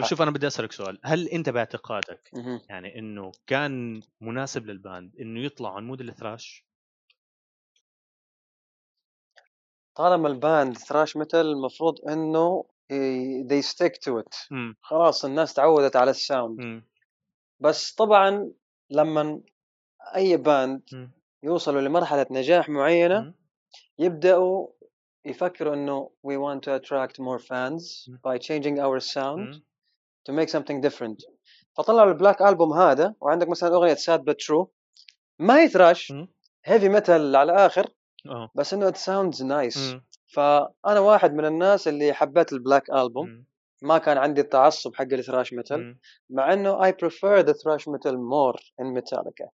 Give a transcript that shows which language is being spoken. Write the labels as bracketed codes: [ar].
[ar] طب شوف، انا بدي اسالك سؤال، هل انت باعتقادك يعني انه كان مناسب للباند انه يطلع عن مود الثراش؟ طالما الباند ثراش ميتال المفروض انه [en] they stick to it، [ar] خلاص الناس تعودت على الساوند. بس طبعا لما اي باند يوصلوا لمرحله نجاح معينه يبداوا يفكروا انه [en] we want to attract more fans by changing our sound to make something different. [ar] فطلعوا البلاك ألبوم هذا، وعندك مثلا اغنية sad but true، ما هي thrash، heavy metal على اخر، بس انه [en] it sounds nice. [ar] فانا واحد من الناس اللي حبيت البلاك ألبوم، ما كان عندي التعصب حق الثراش ميتال، مع انه [en] I prefer the thrash metal more in Metallica.